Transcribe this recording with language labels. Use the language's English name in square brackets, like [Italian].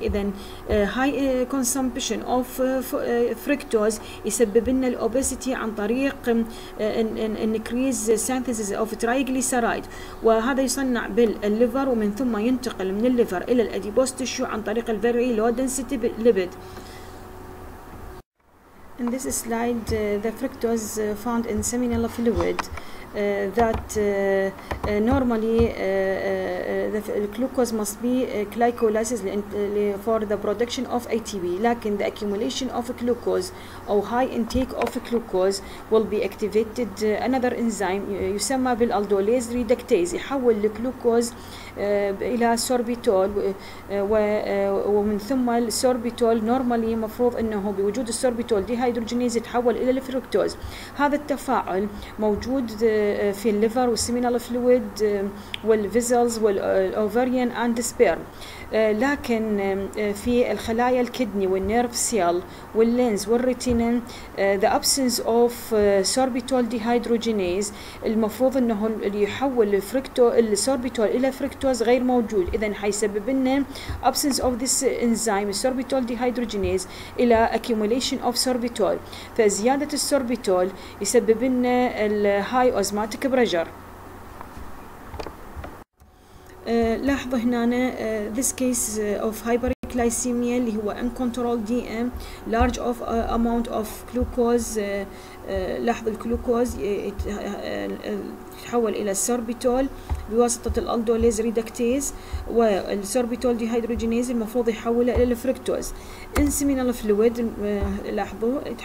[Arabic] اذا هاي كونسومبشن اوف فركتوز يسبب لنا الاوبيسيتي عن طريق انكريز سينثيسيس اوف ترايجليسرايد، وهذا يصنع بالليفر ومن ثم ينتقل من الليفر الى الاديبوس تشو عن طريق الفيري لو دنسيتي ليبيد. [English] In this slide, the fructose found in seminal fluid that normally the glucose must be glycolysis for the production of ATP. Lacking the accumulation of glucose or high intake of glucose will be activated another enzyme [Arabic] يسمى بالالدوليز ريدكتيز، يحول الجلوكوز إلى سوربيتول، ومن ثم السوربيتول نورمالي مفروض أنه بوجود السوربيتول دي هيدروجينيز يتحول إلى الفركتوز. هذا التفاعل موجود في الليفر والسيمينال فلويد والفيزلز والأوفريان أند سبيرم، لكن في الخلايا الكدني والنيرف سيل واللينز والريتينين [English] the absence of sorbitol dehydrogenase [Arabic] المفروض انه يحول السوربيتول الى فركتوز غير موجود. اذا حيسبب لنا [English] absence of this enzyme sorbitol dehydrogenase [Arabic] الى [English] accumulation of sorbitol، [Arabic] فزيادة السوربيتول يسبب لنا [English] high osmotic pressure. [Arabic] لاحظوا هنا [English] this case of hyperglycemia [Arabic] اللي هو [English] uncontrolled DM large of amount of glucose [Arabic] لاحظوا الجلوكوز يتحول الى السوربيتول بواسطه الالدوليز ريدكتيز، والسوربيتول ديهيدروجينيز المفروض يحوله الى الفركتوز ان سيمينال فلويد لاحظوا.